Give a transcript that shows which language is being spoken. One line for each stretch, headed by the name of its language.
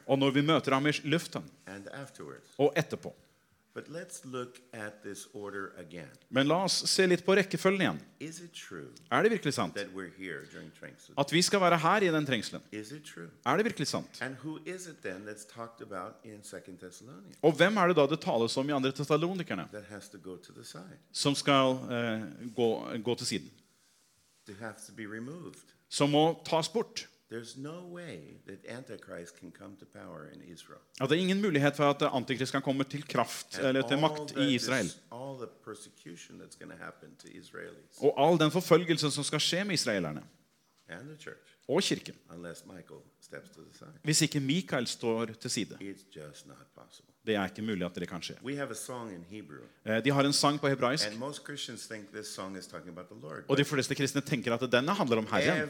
Swedish: Och när vi möter honom i luften.
English: And afterwards.
Swedish: Och efterpå.
English: But let's look at this order again.
Swedish: Men låt oss se lite på rekkefölj igen.
English: Is it true?
Swedish: Är det verkligen sant?
English: That we're here during trängsel.
Swedish: Att vi ska vara här i den trängseln.
English: Is it true?
Swedish: Är det verkligen sant?
English: And who is it then that's talked about in 2 Thessalonians?
Swedish: Och vem är det då det talas om i andra Thessalonikerna?
English: That has to go to the side.
Swedish: Som ska gå till sidan.
English: They have to be removed.
Swedish: Som må tas bort.
English: There's no way that Antichrist can come to power in Israel.
Swedish: Att det är ingen möjlighet för att antikrist kan komma till kraft eller till makt i Israel.
English: All the persecution that's going to happen to Israelis.
Swedish: Och all den förföljelsen som ska ske med israelerna.
English: And the church.
Swedish: Och kyrkan.
English: Unless Michael steps to the side.
Norwegian: Hvis ikke Mikael står til side.
English: It's just not possible.
Swedish: Det är inte möjligt att det kan ske.
English: We have a song in Hebrew.
Swedish: De har en sång på hebreisk.
English: And most Christians think this song is talking about the Lord.
Swedish: Och de flesta kristna tänker att denna handlar om Herren.